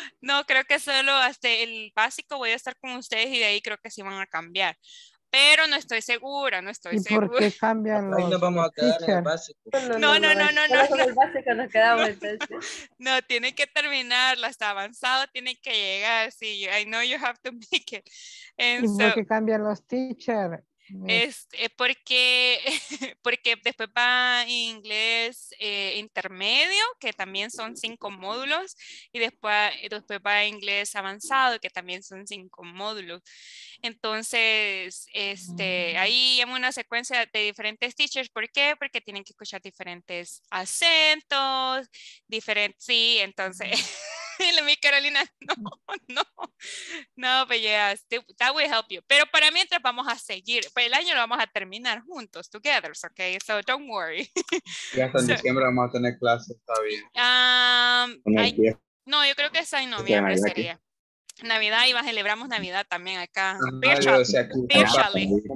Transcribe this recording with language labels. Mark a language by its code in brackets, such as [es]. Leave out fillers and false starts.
[es] No, creo que solo hasta el básico voy a estar con ustedes y de ahí creo que sí van a cambiar. Pero no estoy segura, no estoy segura. ¿Y por qué cambian los? Ahí nos vamos a quedar teacher. En el básico. No. En el básico nos quedamos entonces. No, tiene que terminarla, está avanzado, tiene que llegar. [en] Sí, I know you have to make it. And [es] ¿y [en] so, [es] por qué cambian los teacher? Porque después va inglés intermedio, que también son 5 módulos, y después va inglés avanzado, que también son 5 módulos. Entonces, ahí hay una secuencia de diferentes teachers. ¿Por qué? Porque tienen que escuchar diferentes acentos, diferentes, sí, entonces... [en] Mi Carolina, no, but yes, that will help you. [es] Pero para mientras vamos a seguir, pues el año lo vamos a terminar juntos, together, okay? [en] So don't worry. [es] Ya hasta en diciembre vamos a tener clases, está bien. No, yo creo que es en noviembre sería. Navidad, y celebramos Navidad también acá. Virtually.